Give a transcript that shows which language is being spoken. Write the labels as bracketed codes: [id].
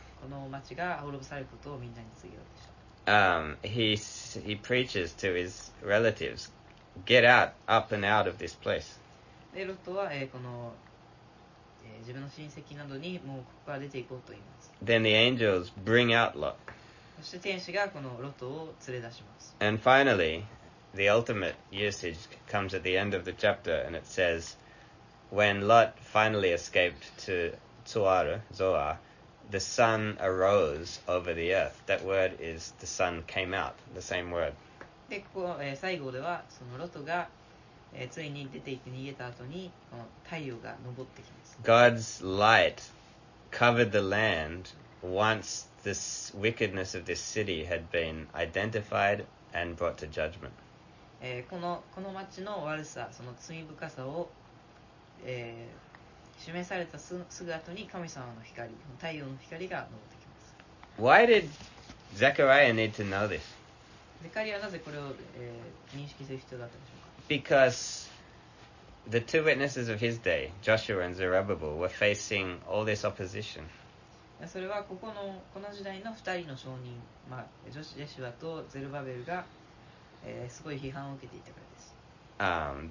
[ja] この町が滅ぼされることをみんなに告げようとした。 [en] He preaches to his relatives, get out, up and out of this place. [ja] で、ロトは、この、自分の親戚などにもうここから出て行こうと言います。 [en] Then the angels bring out Lot. [ja] そして天使がこのロトを連れ出します。 [en] And finally, the ultimate usage comes at the end of the chapter, and it says, when Lot finally escaped to Zoar, Zoar,The sun arose over the earth. That word is the sun came out. The same word. [ja] で、ここ、最後ではそのロトが、ついに出て行って逃げた後にこの太陽が昇ってきます。 [en] God's light covered the land once this wickedness of this city had been identified and brought to judgment. [ja] この町の悪さ、その罪深さを、示されたすぐ後に神様の光、太陽の光が昇ってきます。 [en] Why did Zechariah need to know this? [ja] ゼカリアはなぜこれを、認識する必要だったんでしょうか? [en] Because the two witnesses of his day, Joshua and Zerubbabel, were facing all this opposition. [ja] それはこの時代の2人の証人、まあ、ジョシュアとゼルバベルが、すごい批判を受けていたからです。